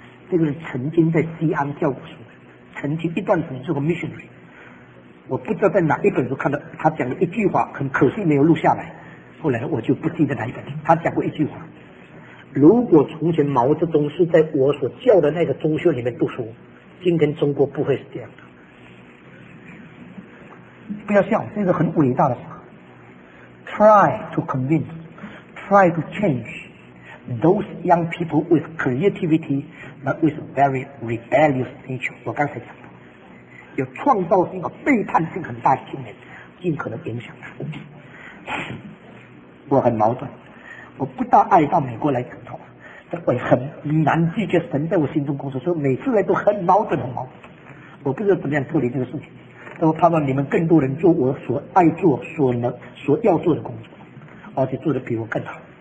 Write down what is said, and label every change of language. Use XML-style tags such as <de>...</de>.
<zh>这个人曾经在西安教过书，曾经一段时间做过 missionary， 我不知道在哪一本书看到他讲了一句话，很可惜没有录下来，后来我就不记得哪一本，他讲过一句话，如果从前毛泽东是在我所教的那个中学里面读书，今天中国不会是这样的。不要笑，这是很伟大的话。</zh> <en>Try to convince, try to change those young people with creativity but with very rebellious nature。</en> <zh>我刚才讲的有创造性和背叛性很大的青年尽可能影响他。我很矛盾，我不大爱到美国来讲道，但我很难拒绝神在我心中工作，所以每次来都很矛盾很矛盾，我不知道怎么样处理这个事情，但我盼望你们更多人做我所爱做所能所要做的工作，而且做得比我更好。</zh>